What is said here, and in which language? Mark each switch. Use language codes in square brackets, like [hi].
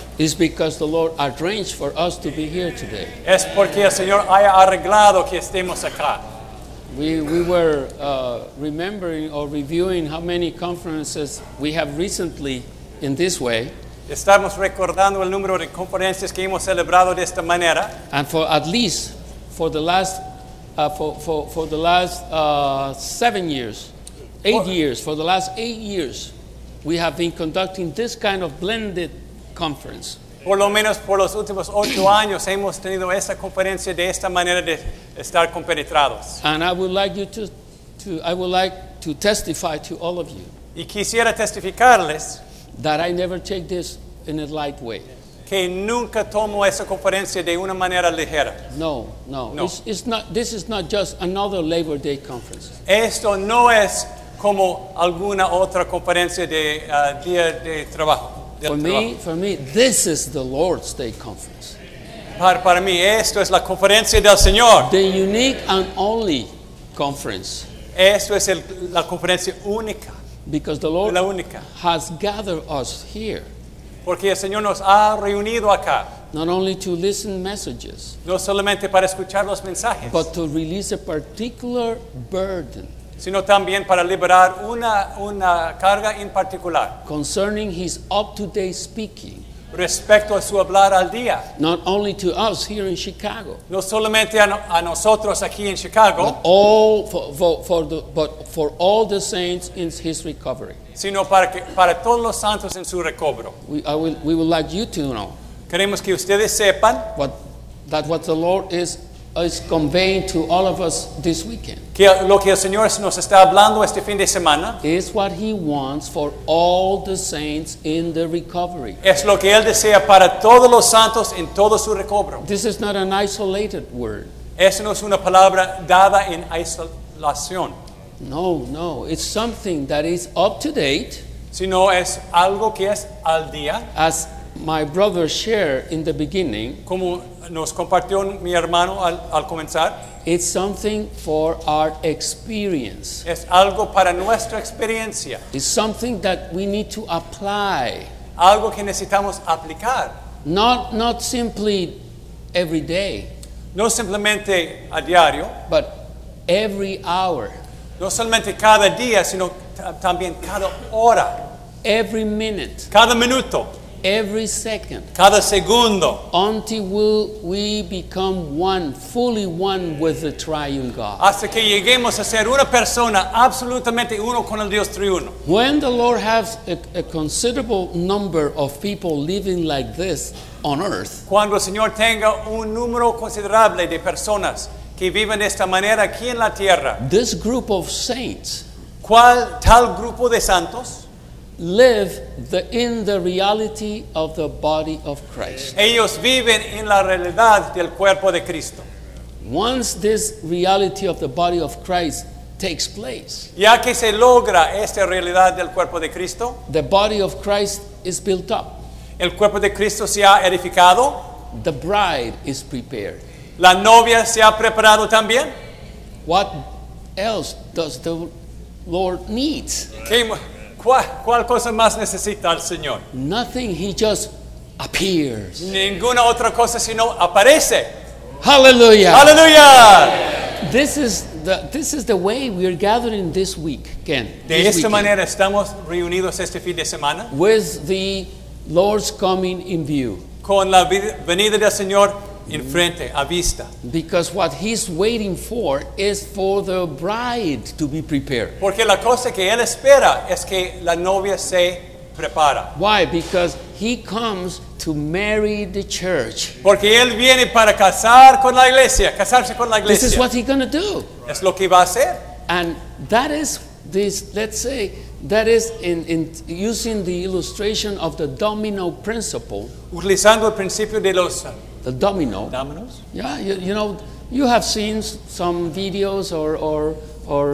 [en] is because the Lord arranged for us to be here today. [es] Es porque el Señor haya arreglado que estemos acá. [en] We were remembering or reviewing how many conferences we have recently in this way. [es] Estamos recordando el número de conferencias que hemos celebrado de esta manera. [en] And for at least for the last for the last eight years, we have been conducting this kind of blended conference. [es] Por lo menos por los últimos 8 años hemos tenido esta conferencia de esta manera de estar compenetrados. [en] And I would like to testify to all of you. [es] Y quisiera testificarles [en] that I never take this in a light way. [es] Que nunca tomo esa conferencia de una manera ligera. No. [en] It's not, this is not just another Labor Day conference. [es] Esto no es como alguna otra conferencia de día de trabajo. [en] For me, this is the Lord's Day conference. [es] Para mí, esto es la conferencia del Señor. [en] The unique and only conference. [es] Esto es la conferencia única. [en] Because the Lord has gathered us here. [es] Porque el Señor nos ha reunido acá. [en] Not only to listen messages. [es] No solamente para escuchar los mensajes. [en] But to release a particular burden. [es] Sino también para liberar una carga en particular. [en] Concerning his up-to-date speaking. [es] Respecto a su hablar al día. [en] Not only to us here in Chicago. [es] No solamente a nosotros aquí en Chicago. [en] But for all the saints in his recovery. [es] Sino para todos los santos en su recobro. [en] We would like you to know. [es] Queremos que ustedes sepan. [en] What the Lord is conveying to all of us this weekend. [es] Que lo que el Señor nos está hablando este fin de semana. [en] Is what he wants for all the saints in the recovery. [es] Es lo que él desea para todos los santos en todo su recobro. [en] This is not an isolated word. [es] Eso no es una palabra dada en aislación. [en] No. It's something that is up to date. [es] Sino es algo que es al día. [en] As my brother shared in the beginning. [es] Como nos compartió mi hermano al comenzar. [en] It's something for our experience. [es] Es algo para nuestra experiencia. [en] It's something that we need to apply. [es] Algo que necesitamos aplicar. [en] Not simply every day. [es] No simplemente a diario. [en] But every hour. [es] No solamente cada día, sino también cada hora. [en] Every minute. [es] Cada minuto. [en] Every second. [es] Cada segundo. [en] Until we become one, fully one with the triune God. [es] Hasta que lleguemos a ser una persona absolutamente uno con el Dios triuno. [en] When the Lord has a considerable number of people living like this on earth. [es] Cuando el Señor tenga un número considerable de personas que viven de esta manera aquí en la tierra. [en] This group of saints. [es] ¿Cuál tal grupo de santos? [en] Live in the reality of the body of Christ. [es] Ellos viven en la realidad del cuerpo de Cristo. [en] Once this reality of the body of Christ takes place, [es] ya que se logra esta realidad del cuerpo de Cristo, [en] the body of Christ is built up. [es] El cuerpo de Cristo se ha edificado. [en] The bride is prepared. [es] La novia se ha preparado también. [en] What else does the Lord need? [es] ¿Cuál cosa más necesita el Señor? [en] Nothing, he just appears. [es] Ninguna otra cosa sino aparece. [en] Hallelujah. Hallelujah. This is the way we are gathering this week, Ken. [es] De esta manera estamos reunidos este fin de semana. [en] With the Lord's coming in view. [es] Con la venida del Señor en frente, a vista. [en] Because what he's waiting for is for the bride to be prepared. [es] Porque la cosa que él espera es que la novia se prepara. [en] Why? Because he comes to marry the church. [es] Porque él viene para casar con la iglesia, casarse con la iglesia. [en] This is what he's going to do. [es] Es lo que va a hacer. [en] And that is this, let's say, that is in using the illustration of the domino principle. [es] Utilizando el principio de los [en] the domino. Dominoes? Yeah, you know, you have seen some videos or